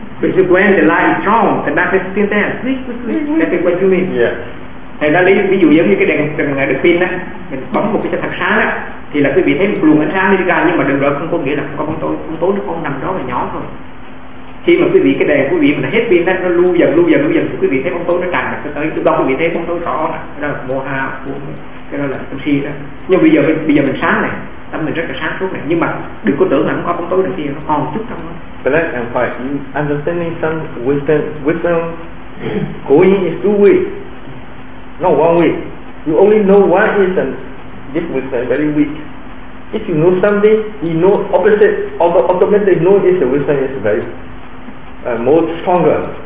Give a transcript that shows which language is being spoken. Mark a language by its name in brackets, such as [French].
[English] But you when the light is strong, the darkness is still there. Weak. That's what you mean. Yeah. [Vietnamese] Thầy đã lấy ví dụ giống như cái đèn được pin á, mình bấm một cái thật sáng á, thì là quý vị thấy một luồng ánh sáng đi ra, nhưng mà đừng đợi không có nghĩa là không có bóng tối nó không nằm đó là nhỏ thôi. Khi mà quý vị cái đèn quý vị mà hết pin á, nó lưu dần thì quý vị thấy bóng tối nó tràn ra tới chỗ đó, quý vị thấy bóng tối rõ nè, đó là moha, cái đó là tâm si đó. Nhưng bây giờ mình sáng này, tâm mình rất là sáng suốt này, nhưng mà đừng có tưởng là không có bóng tối được, kia nó còn chút trong đó. [English] Black and white, understanding some wisdom going is too weak. No one way. You only know one reason. This wisdom is very weak. If you know something, you know opposite. Automatically know this wisdom is very more stronger.